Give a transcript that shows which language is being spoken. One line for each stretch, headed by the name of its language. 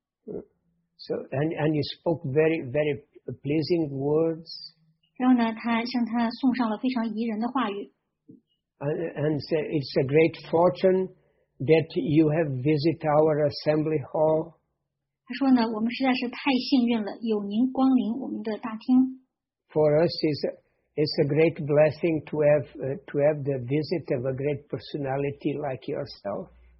English: So, and he spoke very, very pleasing words.
Chinese: 然后呢, 他向他送上了非常宜人的话语。
English: And say, it's a great fortune that you have visited our assembly hall.
Chinese: 他说呢, 我们实在是太幸运了, 有您光临我们的大厅。
English: For us, it's a great blessing to have the visit of a great personality like yourself.